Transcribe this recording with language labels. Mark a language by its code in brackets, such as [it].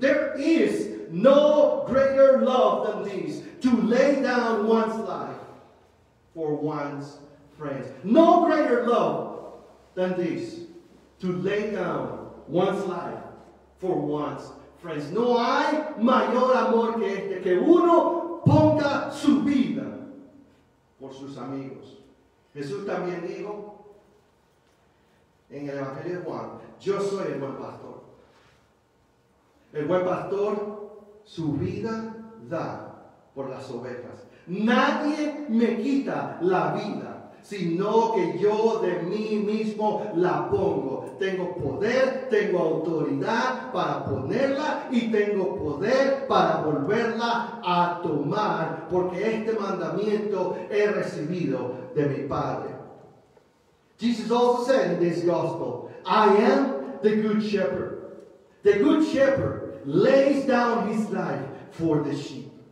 [en] There is no greater love than this, to lay down one's life for one's friends. No greater love than this, to lay down one's life for one's friends. [es] No hay mayor amor que este, que uno ponga su vida por sus amigos. Jesús también dijo en el Evangelio de Juan, yo soy el buen pastor. El buen pastor su vida da por las ovejas. Nadie me quita la vida, sino que yo de mí mismo la pongo. Tengo poder, tengo autoridad para ponerla y tengo poder para volverla a tomar, porque este mandamiento he recibido de mi Padre. [en] Jesus also said in this gospel, I am the good shepherd. The good shepherd lays down his life for the sheep.